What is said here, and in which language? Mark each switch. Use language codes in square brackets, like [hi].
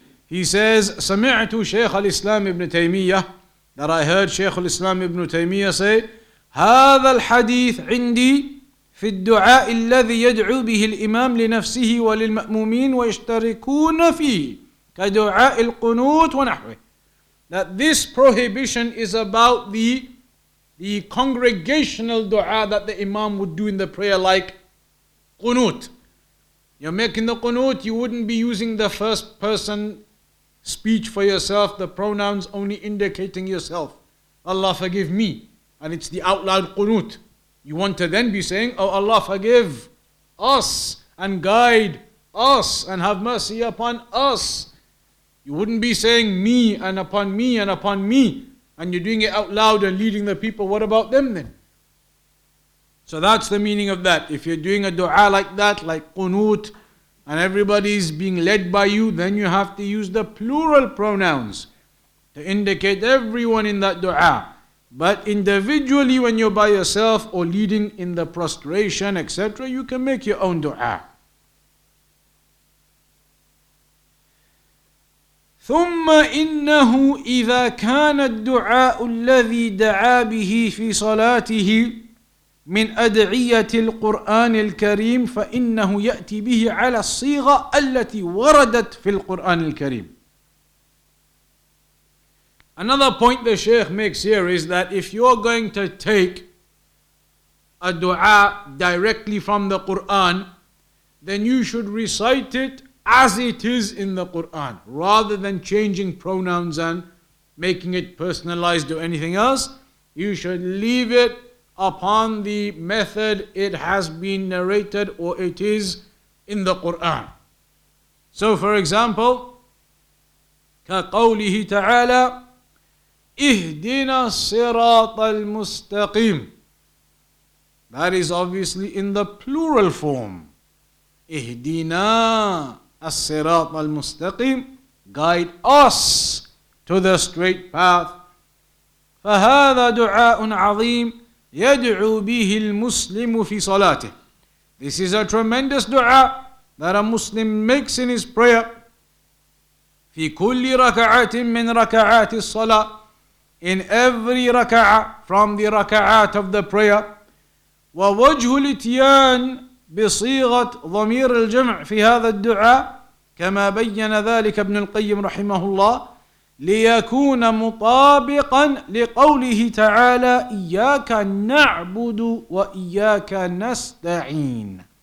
[en] He says, [ar] سمعت شيخ الإسلام ابن تيمية, [en] that I heard [ar] شيخ الإسلام ابن تيمية say, هذا الحديث عندي في الدعاء الذي يدعو به الإمام لنفسه وللمأمومين ويشتركون فيه كدعاء القنوت ونحوه. [en] That this prohibition is about the congregational dua that the Imam would do in the prayer, like qunut. You're making the qunut, you wouldn't be using the first person speech for yourself, the pronouns only indicating yourself. Allah forgive me. And it's the out loud qunut. You want to then be saying, oh Allah forgive us and guide us and have mercy upon us. You wouldn't be saying me and upon me and upon me. And you're doing it out loud and leading the people. What about them then? So that's the meaning of that. If you're doing a dua like that, like qunut, and everybody's being led by you, then you have to use the plural pronouns to indicate everyone in that dua. But individually, when you're by yourself or leading in the prostration, etc., you can make your own dua. [ar] ثم إنه إذا كان الدعاء الذي دعا به في صلاته من أدعية القرآن الكريم فإنه يأتي به على الصيغة التي وردت في القرآن الكريم. [en] Another point the Sheikh makes here is that if you are going to take a dua directly from the Quran, then you should recite it as it is in the Quran, rather than changing pronouns and making it personalized or anything else. You should leave it upon the method it has been narrated or it is in the Quran. So for example, [ar] كقوله تعالى اهدنا الصراط المستقيم. [en] That is obviously in the plural form. [ar] اهدنا الصراط المستقيم, [en] guide us to the straight path. [ar] فهذا دعاء عظيم يدعو به المسلم في صلاته. [en] This is a tremendous dua that a Muslim makes in his prayer. [ar] في كل ركعة من ركعات الصلاة, [en] in every [ar] ركعة from the ركعات [en] of the prayer. [ar] ووجه الاتيان بصيغة ضمير الجمع في هذا الدعاء كما بين ذلك ابن القيم رحمه الله ليكون مطابقا لقوله تعالى إياك نعبد وإياك نستعين.